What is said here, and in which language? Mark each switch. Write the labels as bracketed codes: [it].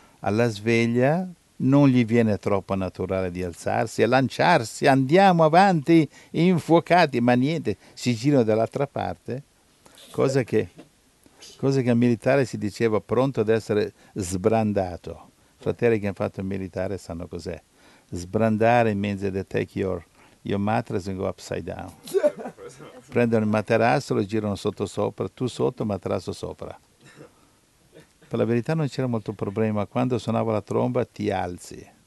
[it] Alla sveglia non gli viene troppo naturale di alzarsi e lanciarsi, andiamo avanti, infuocati, ma niente, si girano dall'altra parte. Cosa che al militare si diceva pronto ad essere sbrandato. Fratelli che hanno fatto il militare sanno cos'è. [en] Sbrandare means to take your mattress and go upside down. [it] Prendono il materasso, lo girano sotto sopra, tu sotto, materasso sopra. Per la verità non c'era molto problema. Quando suonavo la tromba ti alzi.